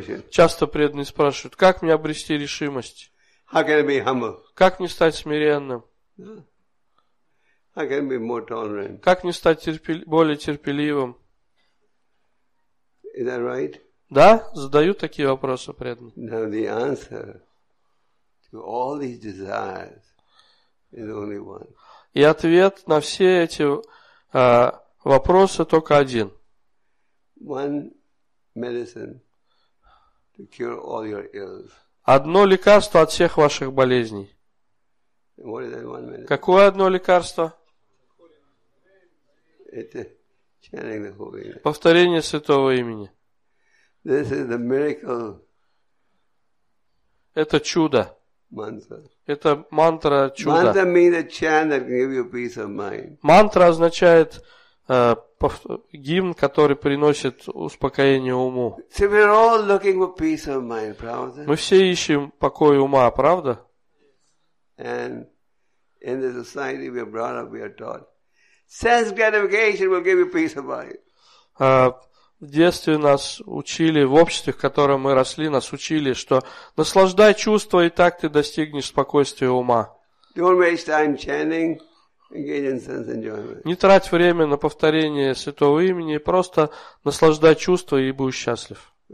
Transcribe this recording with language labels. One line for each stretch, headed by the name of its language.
Russian: Часто преданные спрашивают, как мне обрести решимость? Как мне стать смиренным?
English: How can be more tolerant?
Russian: Как мне стать более терпеливым?
English: Is that right?
Russian: Да, задают такие вопросы преданные.
English: Now the answer to all these desires is only one.
Russian: И ответ на все эти вопросы только один.
English: One medicine to cure all your ills.
Russian: Одно лекарство от всех ваших болезней.
English: What is that one medicine?
Russian: Какое одно лекарство?
English: It's chanting the holy name.
Russian: Повторение святого имени.
English: This is the miracle.
Russian: Это чудо.
English: Mantra.
Russian: Это мантра чудо.
English: Mantra means a chant that can give you peace of mind.
Russian: Мантра означает гимн, который приносит успокоение уму.
English: So we're all looking for peace of mind,
Russian: правда? Мы все ищем покой ума, правда?
English: And in the society we are brought up, we are taught. Sense gratification will give you peace of mind.
Russian: В детстве нас учили, в обществе, в котором мы росли, нас учили, что наслаждай чувства, и так ты достигнешь спокойствия ума.
English: Don't waste time chanting, engage in sense enjoyment.
Russian: Не трать время на повторение святого имени, просто наслаждай чувства и будь счастлив.